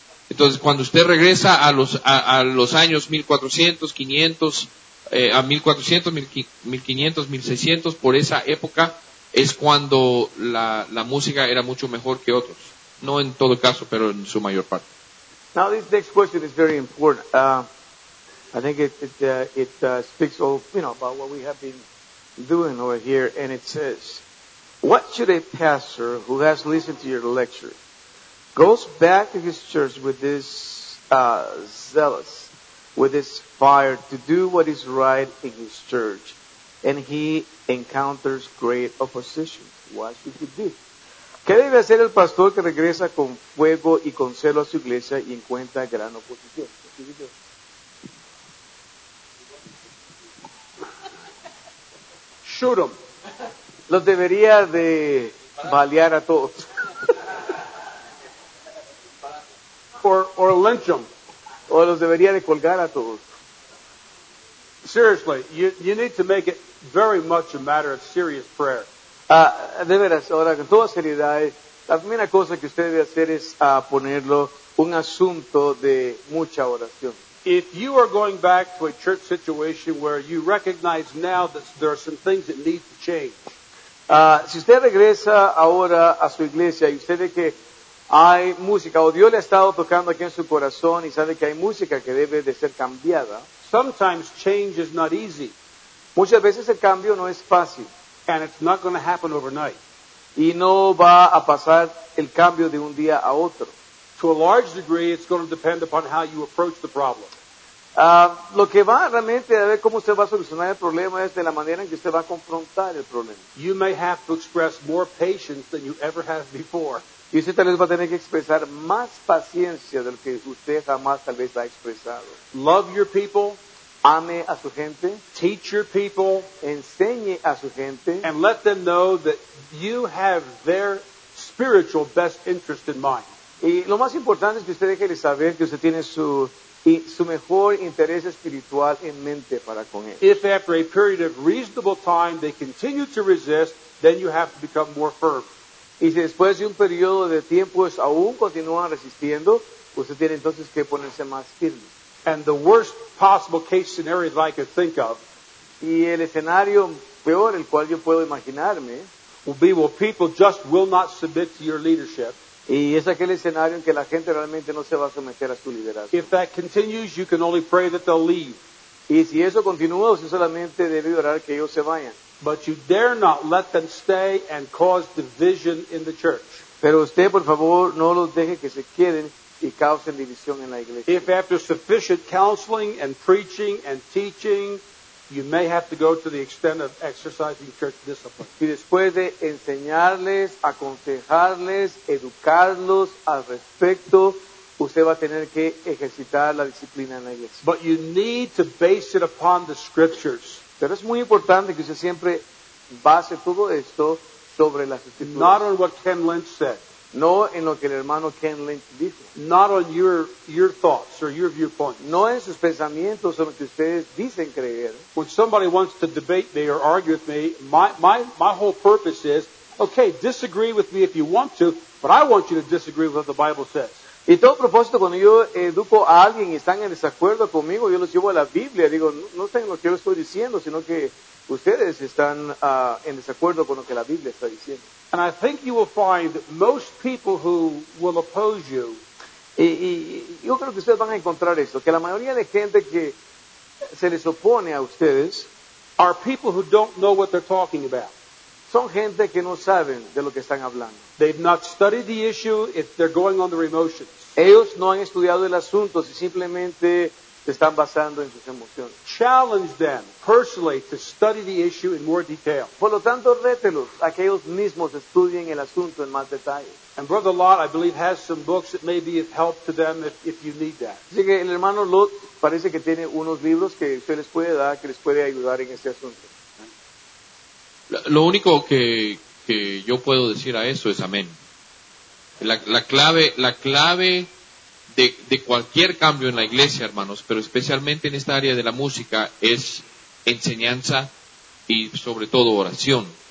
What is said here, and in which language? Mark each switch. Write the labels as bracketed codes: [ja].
[es] Entonces, cuando usted regresa a los años 1400, 500, a 1400, 1500, 1600, por esa época, es cuando la música era mucho mejor que otros. No en todo caso, pero en su mayor parte. [en] Now, this next question is very important. I think it speaks all, about what we have been doing over here, and it says, what should a pastor who has listened to your lecture, goes back to his church with this zealous, with this fire to do what is right in his church, and he encounters great opposition, what should he do? [es] ¿Qué debe hacer el pastor que regresa con fuego y con celo a su iglesia y encuentra gran oposición? [en] Shoot him. [es] Los debería de balear a todos. [en] Or lynch them. [es] O los debería de colgar a todos. [en] Seriously, you need to make it very much a matter of serious prayer. [es] De veras, ahora con toda seriedad, la primera cosa que usted debe hacer es ponerlo un asunto de mucha oración. [en] If you are going back to a church situation where you recognize now that there are some things that need to change. [es] Si usted regresa ahora a su iglesia y usted ve que hay música, o Dios le ha estado tocando aquí en su corazón y sabe que hay música que debe de ser cambiada. [en] Sometimes change is not easy. [es] Muchas veces el cambio no es fácil. [en] And it's not going to happen overnight. [es] Y no va a pasar el cambio de un día a otro. [en] To a large degree, it's going to depend upon how you approach the problem. [es] Lo que va realmente a ver cómo usted va a solucionar el problema es de la manera en que usted va a confrontar el problema. [en] You may have to express more patience than you ever have before. [es] Y usted tal vez va a tener que expresar más paciencia del que usted jamás tal vez ha expresado. [en] Love your people. [es] Ame a su gente. [en] Teach your people. [es] Enseñe a su gente. [en] And let them know that you have their spiritual best interest in mind. [es] Y lo más importante es que usted deje de saber que usted tiene su mejor interés espiritual en mente para con él. [en] If after a period of reasonable time they continue to resist, then you have to become more firm. [es] Y si después de un periodo de tiempo es aún continúan resistiendo, usted tiene entonces que ponerse más firme. [en] And the worst possible case scenario that I could think of, [es] y el escenario peor el cual yo puedo imaginarme, [en] will be where people just will not submit to your leadership. [es] Y es aquel escenario en que la gente realmente no se va a someter a su liderazgo. [en] If that continues, you can only pray that they'll leave. [es] Y si eso continúa, usted solamente debe orar que ellos se vayan. [en] But you dare not let them stay and cause division in the church. [es] Pero usted, por favor, no los deje que se queden y causen división en la iglesia. [en] If after sufficient counseling and preaching and teaching, you may have to go to the extent of exercising church discipline. [es] Y después de enseñarles, aconsejarles, educarlos al respecto, usted va a tener que ejercitar la disciplina en la iglesia. [en] But you need to base it upon the scriptures. [es] Pero es muy importante que usted siempre base todo esto sobre las escrituras. [en] Not on what Ken Lynch said. [es] No en lo que el hermano Ken Lynch dijo. [en] Not on your thoughts or your viewpoint. [es] No en sus pensamientos o lo que ustedes dicen creer. [en] When somebody wants to debate me or argue with me, my whole purpose is, okay, disagree with me if you want to, but I want you to disagree with what the Bible says. [es] Y todo propósito, cuando yo educo a alguien y están en desacuerdo conmigo, yo los llevo a la Biblia. Digo, no sé lo que yo estoy diciendo, sino que ustedes están en desacuerdo con lo que la Biblia está diciendo. [en] And I think you will find most people who will oppose you. [es] Y yo creo que ustedes van a encontrar esto, que la mayoría de gente que se les opone a ustedes [en] are people who don't know what they're talking about. [es] Son gente que no saben de lo que están hablando. [en] They've not studied the issue if they're going on their emotions. [es] Ellos no han estudiado el asunto, si simplemente se están basando en sus emociones. [en] Challenge them personally to study the issue in more detail. [es] Por lo tanto, rételos a que ellos mismos estudien el asunto en más detalle. [en] And Brother Lott, I believe, has some books that may be of help to them if you need that. [es] Así que el hermano Lott parece que tiene unos libros que usted les puede dar, que les puede ayudar en este asunto. Lo único que yo puedo decir a eso es amén. La clave de cualquier cambio en la iglesia, hermanos, pero especialmente en esta área de la música, es enseñanza y sobre todo oración.